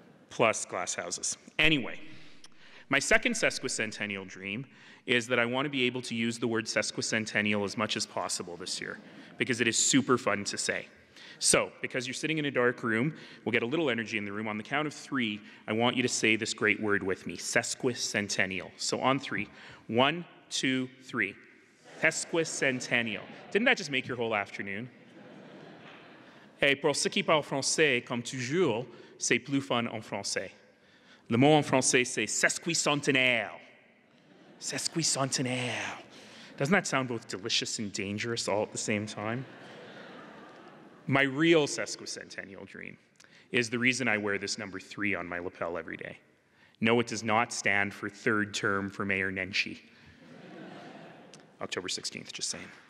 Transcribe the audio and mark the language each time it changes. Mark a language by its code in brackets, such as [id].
[en] Plus glass houses. Anyway, my second sesquicentennial dream is that I want to be able to use the word sesquicentennial as much as possible this year, because it is super fun to say. So, because you're sitting in a dark room, we'll get a little energy in the room. On the count of three, I want you to say this great word with me, sesquicentennial. So on three, one, two, three. Sesquicentennial. Didn't that just make your whole afternoon? [fr] Hey, pour ceux qui parlent français, comme toujours, c'est plus fun en français. Le mot en français, c'est sesquicentennial. [en] Sesquicentennial. Doesn't that sound both delicious and dangerous all at the same time? My real sesquicentennial dream is the reason I wear this number three on my lapel every day. No, it does not stand for third term for Mayor Nenshi. October 16th, just saying.